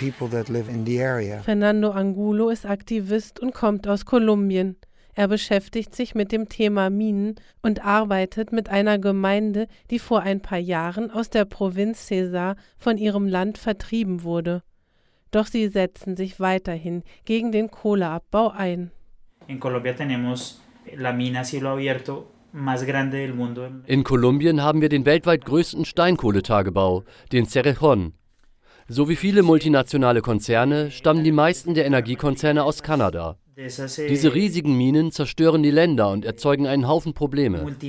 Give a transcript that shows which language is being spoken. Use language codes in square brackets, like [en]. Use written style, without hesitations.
[de] Fernando Angulo ist Aktivist und kommt aus Kolumbien. Er beschäftigt sich mit dem Thema Minen und arbeitet mit einer Gemeinde, die vor ein paar Jahren aus der Provinz Cesar von ihrem Land vertrieben wurde. Doch sie setzen sich weiterhin gegen den Kohleabbau ein. [es] In Colombia tenemos la mina cielo abierto. [de] In Kolumbien haben wir den weltweit größten Steinkohletagebau, den Cerrejón. So wie viele multinationale Konzerne stammen die meisten der Energiekonzerne aus Kanada. Diese riesigen Minen zerstören die Länder und erzeugen einen Haufen Probleme.